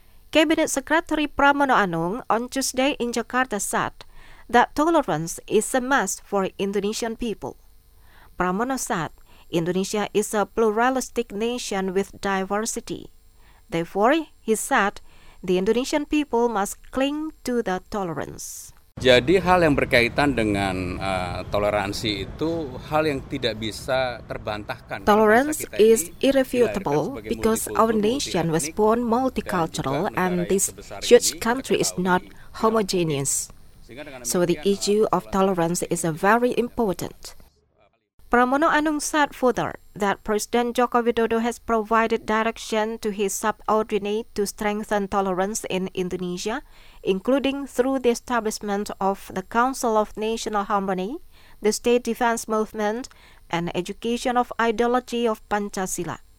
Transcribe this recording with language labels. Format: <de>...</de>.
<en>Cabinet Secretary Pramono Anung on Tuesday in Jakarta said that tolerance is a must for Indonesian people. Pramono said, Indonesia is a pluralistic nation with diversity. Therefore, he said, the Indonesian people must cling to the tolerance.</en> <id>Jadi hal yang berkaitan dengan toleransi itu hal yang tidak bisa terbantahkan.</id> <en>Tolerance is irrefutable because our nation was born multicultural and this huge country is not homogeneous. So the issue of tolerance is very important. Pramono Anung said further that President Joko Widodo has provided direction to his subordinate to strengthen tolerance in Indonesia, including through the establishment of the Council of National Harmony, the State Defense Movement, and education of ideology of Pancasila.</en>